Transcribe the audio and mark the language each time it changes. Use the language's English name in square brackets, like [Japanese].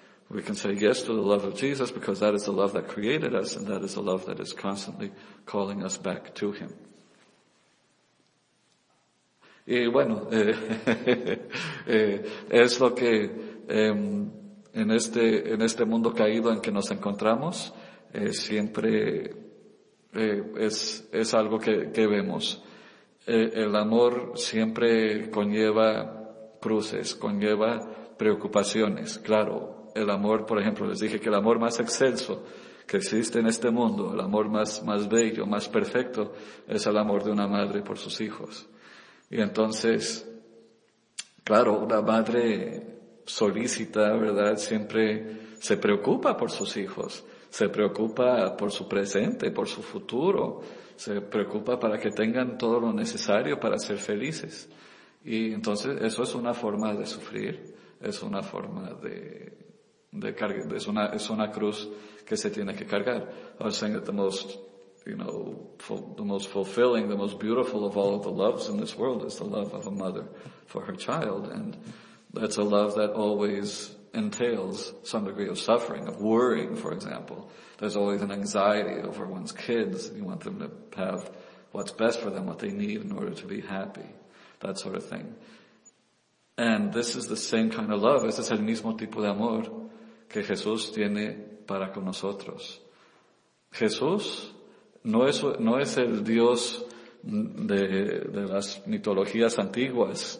[English] We can say yes to the love of Jesus because that is the love that created us and that is the love that is constantly calling us back to Him. [Spanish] Y bueno, es lo que en este mundo caído en que nos encontramos, siempre es algo que vemos. El amor siempre conlleva cruces, conlleva preocupaciones. Claro, el amor, por ejemplo, les dije que el amor más excelso que existe en este mundo, el amor más bello, más perfecto, es el amor de una madre por sus hijos. Y entonces, claro, una madre solícita, ¿verdad?, siempre se preocupa por sus hijos, se preocupa por su presente, por su futuro, se preocupa para que tengan todo lo necesario para ser felices. Y entonces eso es una forma de sufrir, es una forma de cargar, es una cruz que se tiene que cargar. [English] I was saying that the most fulfilling, the most beautiful of all of the loves in this world is the love of a mother for her child. And that's a love that always entails some degree of suffering, of worrying, for example. There's always an anxiety over one's kids. You want them to have what's best for them, what they need in order to be happy, that sort of thing. And this is the same kind of love. [Spanish] Este es el mismo tipo de amor que Jesús tiene para con nosotros. Jesús no es el Dios de las mitologías antiguas.